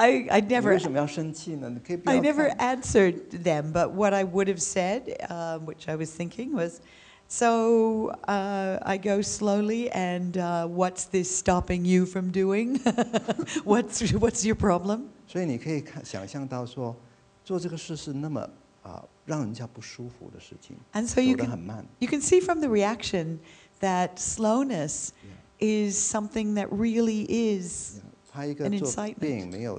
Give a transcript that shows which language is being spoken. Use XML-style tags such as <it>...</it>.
<zh>我走得很慢，爱找你了。我走得很慢，爱找你了，你知道吗？就关你什么事这样。你为什么要生气呢？你可以不要。</zh> <en>I never answered them, but what I would have said, which I was thinking, was, so I go slowly, and what's this stopping you from doing? what's your problem?</en> <zh>所以你可以看想象到说，做这个事是那么让人家不舒服的事情。</zh> <en>And so you can see from the reaction. That slowness is something that really is an incitement.</en>